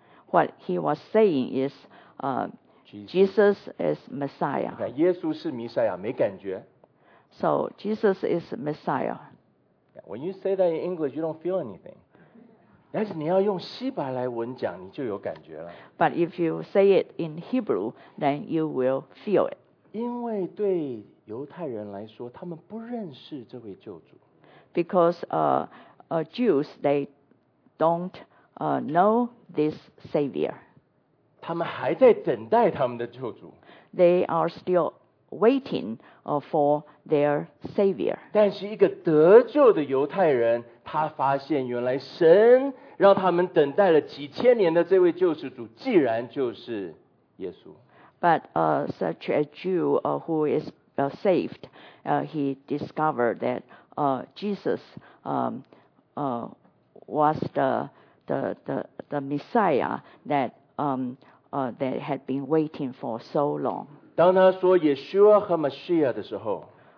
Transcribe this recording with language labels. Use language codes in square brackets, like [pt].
[en] What he was saying is, Jesus is Messiah. [zh] 你看，耶稣是弥赛亚，没感觉。 [en] So Jesus is Messiah. When you say that in English, you don't feel anything. [zh] 但是你要用希伯来文讲，你就有感觉了。 [en] But if you say it in Hebrew, then you will feel it. [zh] 因为对犹太人来说，他们不认识这位救主。 [en] Because Jews they don't know this Savior. [zh] 他们还在等待他们的救主。 [en] They are still waiting for their Savior. [zh] 但是一个得救的犹太人，他发现原来神让他们等待了几千年的这位救世主，既然就是耶稣。 [en] But such a Jew who is saved, he discovered that Jesus was the Messiah that that had been waiting for so long. [zh] 当他说 Yeshua 和 Messiah 的时候